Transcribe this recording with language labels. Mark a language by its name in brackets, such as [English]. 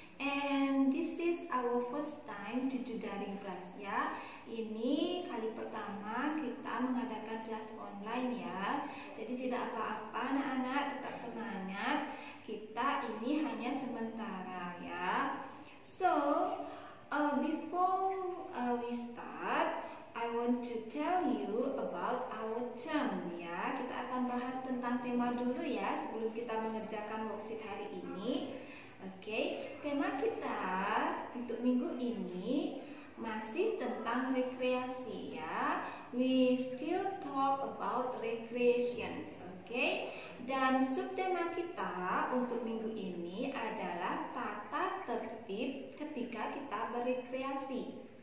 [English] And this is our first time to do daring class ya. [Indonesian] Ini kali pertama kita mengadakan kelas online ya. Jadi tidak apa-apa anak-anak, tetap semangat. Kita ini hanya sementara ya. [English] So, before we start, I want to tell you about our term ya. [Indonesian] Kita akan bahas tentang tema dulu ya sebelum kita mengerjakan worksheet hari ini. Okay, tema kita untuk minggu ini masih tentang rekreasi ya. [English] We still talk about recreation. [Indonesian] Okay, dan subtema kita untuk minggu ini adalah tata tertib ketika kita berekreasi.